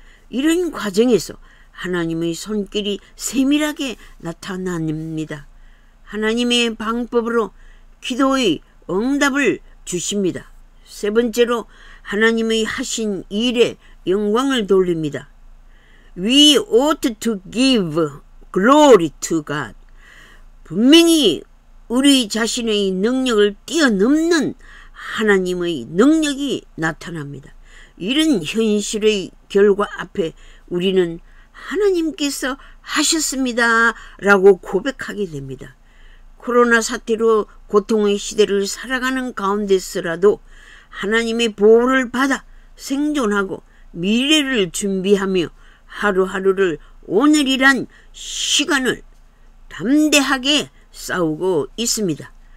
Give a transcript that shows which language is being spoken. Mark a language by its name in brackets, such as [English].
[Korean] 이런 과정에서 하나님의 손길이 세밀하게 나타납니다. 하나님의 방법으로 기도의 응답을 주십니다. 세 번째로 하나님의 하신 일에 영광을 돌립니다. [English] We ought to give glory to God. [Korean] 분명히 우리 자신의 능력을 뛰어넘는 하나님의 능력이 나타납니다. 이런 현실의 결과 앞에 우리는 하나님께서 하셨습니다 라고 고백하게 됩니다. 코로나 사태로 고통의 시대를 살아가는 가운데서라도 하나님의 보호를 받아 생존하고 미래를 준비하며 하루하루를 오늘이란 시간을 담대하게 싸우고 있습니다.